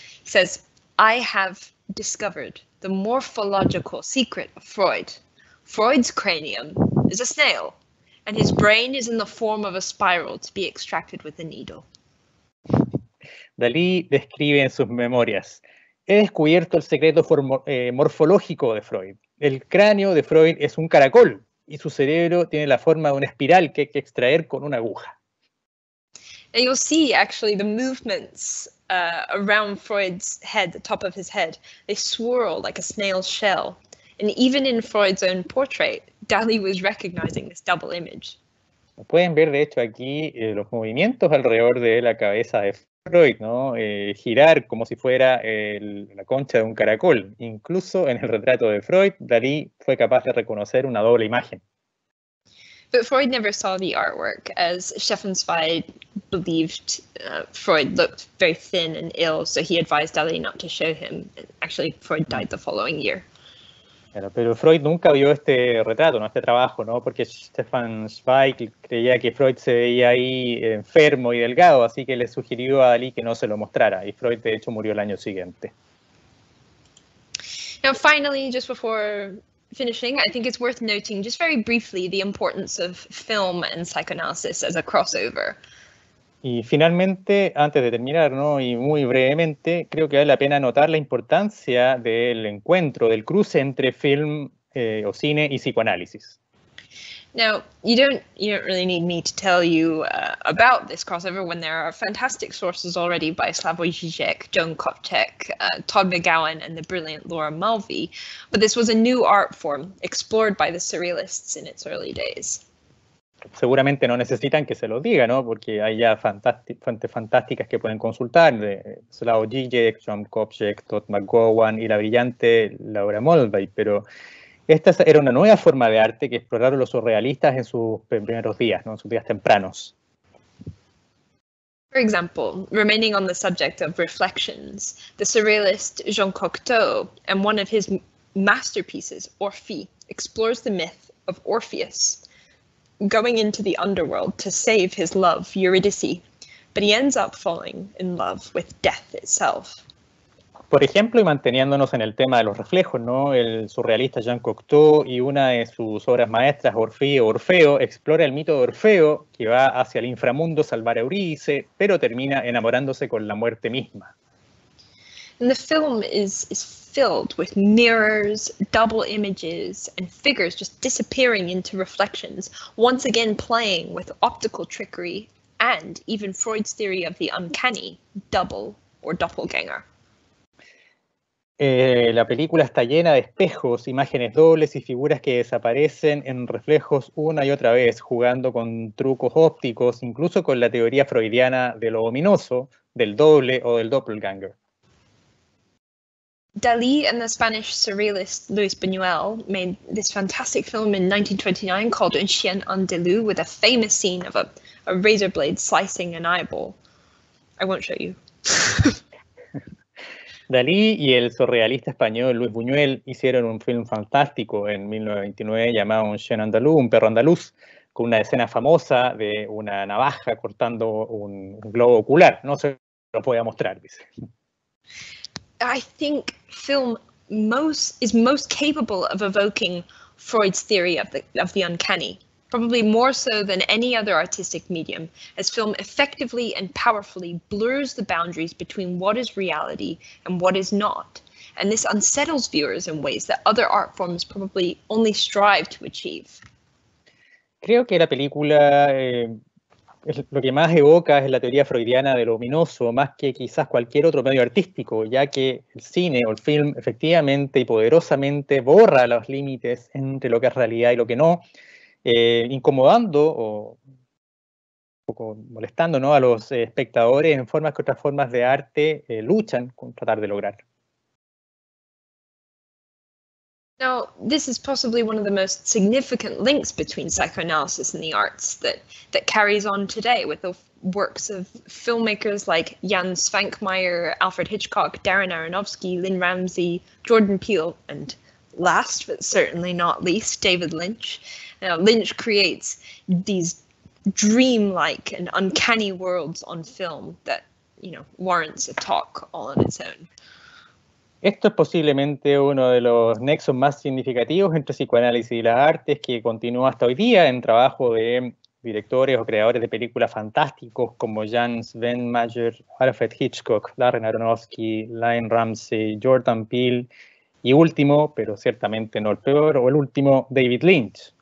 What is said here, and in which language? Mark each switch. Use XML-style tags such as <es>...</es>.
<en>He says, I have discovered the morphological secret of Freud. Freud's cranium is a snail, and his brain is in the form of a spiral to be extracted with a needle.</en> <es>Dalí describe en sus memorias, he descubierto el secreto morfológico de Freud. El cráneo de Freud es un caracol y su cerebro tiene la forma de una espiral que hay que extraer con una aguja.</es> <en>And you'll see actually the movements around Freud's head, the top of his head, they swirl like a snail's shell. And even in Freud's own portrait, Dalí was recognizing this double image.</en> <es>Pueden ver de hecho aquí los movimientos alrededor de la cabeza de Freud, ¿no? Girar como si fuera la concha de un caracol. Incluso en el retrato de Freud, Dalí fue capaz de reconocer una doble imagen.</es> <en>But Freud never saw the artwork, as Schoenfeld believed Freud looked very thin and ill, so he advised Dalí not to show him. Actually, Freud died the following year.</en> <es>Pero Freud nunca vio este retrato, ¿no? Este trabajo, ¿no? Porque Stefan Zweig creía que Freud se veía ahí enfermo y delgado, así que le sugirió a Dalí que no se lo mostrara. Y Freud, de hecho, murió el año siguiente.</es> <en>Now, finally, just before finishing, I think it's worth noting just very briefly the importance of film and psychoanalysis as a crossover.</en> <es>Y finalmente, antes de terminar, ¿no? Y muy brevemente, creo que vale la pena notar la importancia del encuentro, del cruce entre film o cine y psicoanálisis.</es> <en>Now, you don't really need me to tell you about this crossover when there are fantastic sources already by Slavoj Žižek, Joan Kopchek, Todd McGowan, and the brilliant Laura Mulvey. But this was a new art form explored by the surrealists in its early days.</en> <es>Seguramente no necesitan que se lo diga, ¿no? Porque hay ya fuentes fantásticas que pueden consultar, Slavoj Žižek, John Kopchek, Todd McGowan y la brillante Laura Mulvey. Pero esta era una nueva forma de arte que exploraron los surrealistas en sus primeros días, ¿no? En sus días tempranos.</es> <en>For example, remaining on the subject of reflections, the surrealist Jean Cocteau and one of his masterpieces, Orphée, explores the myth of Orpheus going into the underworld to save his love, Eurydice, but he ends up falling in love with death itself.</en> <es>Por ejemplo, y manteniéndonos en el tema de los reflejos, ¿no? El surrealista Jean Cocteau y una de sus obras maestras, Orfeo, explora el mito de Orfeo, que va hacia el inframundo a salvar a Eurídice, pero termina enamorándose con la muerte misma.</es> <en>And the film is filled with mirrors, double images, and figures just disappearing into reflections, once again playing with optical trickery and even Freud's theory of the uncanny, double or doppelganger.</en> <es>La película está llena de espejos, imágenes dobles y figuras que desaparecen en reflejos una y otra vez, jugando con trucos ópticos, incluso con la teoría freudiana de lo ominoso, del doble o del doppelganger.</es> <en>Dalí and the Spanish surrealist Luis Buñuel made this fantastic film in 1929 called Un Chien Andalou with a famous scene of a razor blade slicing an eyeball. I won't show you.</en> <es>Dalí y el surrealista español Luis Buñuel hicieron un film fantástico en 1929 llamado Un Chien Andalou, un perro andaluz, con una escena famosa de una navaja cortando un globo ocular. No se lo podía mostrar, dice.</es> <en>I think film is most capable of evoking Freud's theory of the uncanny, probably more so than any other artistic medium, as film effectively and powerfully blurs the boundaries between what is reality and what is not. And this unsettles viewers in ways that other art forms probably only strive to achieve.</en> <es>Creo que la película lo que más evoca es la teoría freudiana de lo ominoso, más que quizás cualquier otro medio artístico, ya que el cine o el film efectivamente y poderosamente borra los límites entre lo que es realidad y lo que no, incomodando o un poco molestando, ¿no?, a los espectadores en formas que otras formas de arte luchan con tratar de lograr.</es> <en>Now, this is possibly one of the most significant links between psychoanalysis and the arts that carries on today with the works of filmmakers like Jan Svankmajer, Alfred Hitchcock, Darren Aronofsky, Lynn Ramsey, Jordan Peele, and last but certainly not least, David Lynch. Now, Lynch creates these dreamlike and uncanny worlds on film that, you know, warrants a talk all on its own.</en> <es>Esto es posiblemente uno de los nexos más significativos entre psicoanálisis y las artes que continúa hasta hoy día en trabajo de directores o creadores de películas fantásticos como Jan Svankmajer, Alfred Hitchcock, Darren Aronofsky, Lynn Ramsey, Jordan Peele y último, pero ciertamente no el peor, o el último, David Lynch.</es>